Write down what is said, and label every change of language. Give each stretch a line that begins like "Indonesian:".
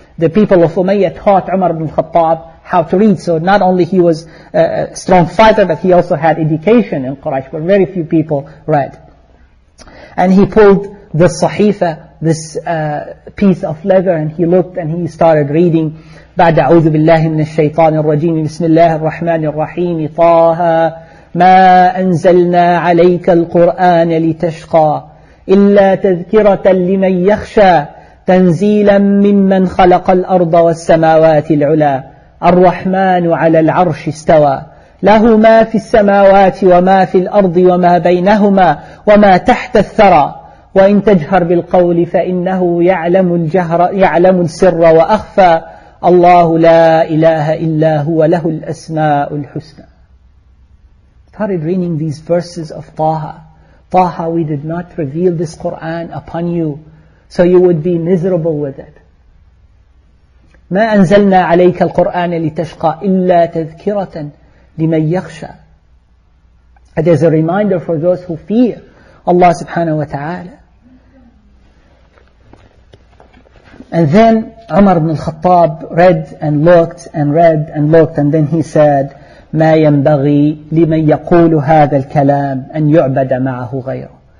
English: The people of Umayyah taught Umar ibn Khattab how to read. So not only he was a strong fighter, but he also had education in Quraysh, where very few people read. And he pulled the sahifa, this piece of leather, and he looked and he started reading.
Arabic: بعد أعوذ بالله من الشيطان الرجيم بسم الله الرحمن الرحيم طه ما أنزلنا عليك القرآن لتشقى إلا تذكرة لمن يخشى تنزيلا ممن خلق الأرض والسماوات العلى الرحمن على العرش استوى له ما في السماوات وما في الأرض وما بينهما وما تحت الثرى وإن تجهر بالقول فإنه يعلم الجهر يعلم السر وأخفى الله لا إله إلا هو له الأسماء الحسنى.
English: Started reading these verses of Taha. Taha, we did not reveal this Quran upon you, so you would be miserable with it.
Arabic: ما أنزلنا عليك القرآن لتشقى إلا تذكرة لمن يخشى.
English: It is a reminder for those who fear Allah subhanahu wa ta'ala. And then Umar ibn al-Khattab read and looked and read and looked, and then he said,
Arabic: مَا يَنْبَغِي لِمَنْ يَقُولُ هَذَا الْكَلَامِ أَنْ يُعْبَدَ مَعَهُ غَيْرُ.